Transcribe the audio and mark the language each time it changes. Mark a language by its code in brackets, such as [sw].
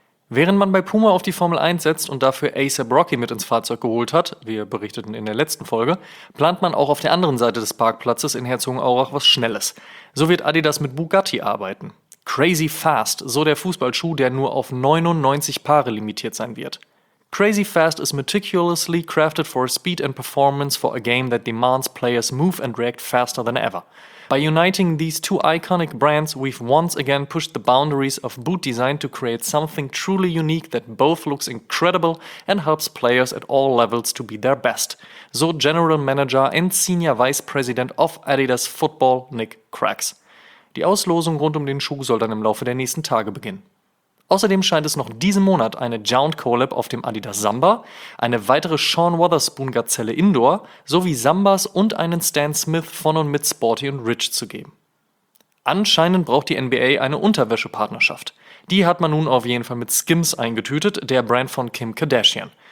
[de] Während man bei Puma auf die Formel 1 setzt und dafür A$AP Rocky mit ins Fahrzeug geholt hat, wir berichteten in der letzten Folge, plant man auch auf der anderen Seite des Parkplatzes in Herzogenaurach was Schnelles. So wird Adidas mit Bugatti arbeiten. Crazy Fast, so der Fußballschuh, der nur auf 99 Paare limitiert sein wird. [en] Crazy Fast is meticulously crafted for speed and performance for a game that demands players move and react faster than ever. By uniting these two iconic brands, we've once again pushed the boundaries of boot design to create something truly unique that both looks incredible and helps players at all levels to be their best. [de] So General Manager and Senior Vice President of Adidas Football, Nick Crax. Die Auslosung rund um den Schuh soll dann im Laufe der nächsten Tage beginnen. Außerdem scheint es noch diesen Monat eine Jount Collab auf dem Adidas Samba, eine weitere Sean Wotherspoon Gazelle Indoor sowie Sambas und einen Stan Smith von und mit Sporty und Rich zu geben. Anscheinend braucht die NBA eine Unterwäschepartnerschaft. Die hat man nun auf jeden Fall mit Skims eingetütet, der Brand von Kim Kardashian.